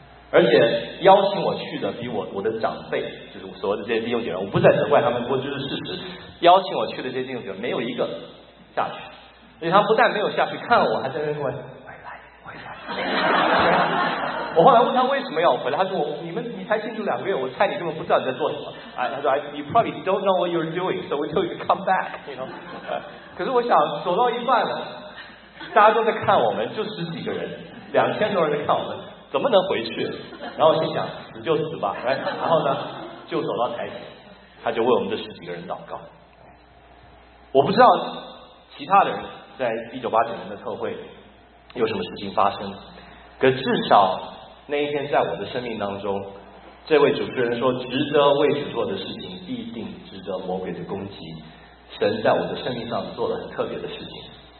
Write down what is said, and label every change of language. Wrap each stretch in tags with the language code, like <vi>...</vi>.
<zh>而且邀请我去的比我的长辈，就是所谓的这些弟兄姐妹，我不再责怪他们，不过就是事实，邀请我去的这些弟兄姐妹没有一个下去，所以他不但没有下去看我，还在那边问回来。我后来问他为什么要回来，他说你才进去2个月，我猜你根本不知道你在做什么。哎，他说</zh> <en>You probably don't know what you're doing, so we told you to come back, you know。</en> <zh>可是我想走到一半了，大家都在看我们，就十几个人，2000多人在看我们，怎么能回去？然后心想死就死吧，哎，然后呢就走到台前，他就为我们这十几个人祷告。我不知道其他的人在1989年的特会有什么事情发生，可至少那一天在我的生命当中，这位主持人说值得为主做的事情必定值得魔鬼的攻击，神在我的生命上做了很特别的事情。</zh>